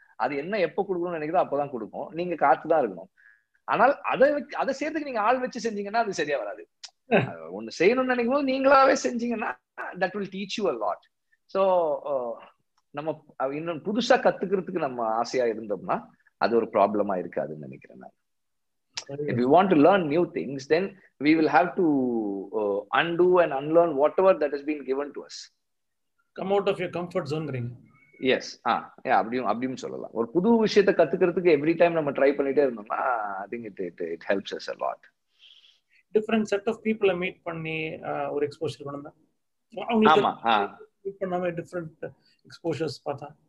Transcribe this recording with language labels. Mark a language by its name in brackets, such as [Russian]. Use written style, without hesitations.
[Tamil] அது என்ன எப்ப கொடுக்கணும் நினைக்கிறோம் அப்பதான் கொடுக்கும், நீங்க காத்துதான் இருக்கணும். ஆனால் அதை சேர்த்துக்கு நீங்க ஆள் வச்சு செஞ்சீங்கன்னா அது சரியா வராது. ஒண்ணு செய்யணும்னு நினைக்கும் போது நீங்களாவே செஞ்சீங்கன்னா [English] that will teach you a lot. [Tamil] So நம்ம இன்னும் புதுசா கத்துக்கிறதுக்கு நம்ம ஆசையா இருந்தோம்னா அது ஒரு ப்ராப்ளமா இருக்காதுன்னு நினைக்கிறேன் நான். [English] If we want to learn new things, then we will have to undo and unlearn whatever that has been given to us. Come out of your comfort zone ring. Yes. [Tamil] அப்படியும் சொல்லலாம். ஒரு புது விஷயத்தை கத்துக்கிறதுக்கு எவ்ரி டைம் நம்ம try பண்ணிட்டே இருந்தோம்னா [English] I think it helps us a lot. Different set of people I meet [Tamil] பண்ணி ஒரு [English] exposure [Tamil] பண்ணனும். ஆமா. மீட் பண்ணாம [English] different exposures [Tamil] பார்த்தா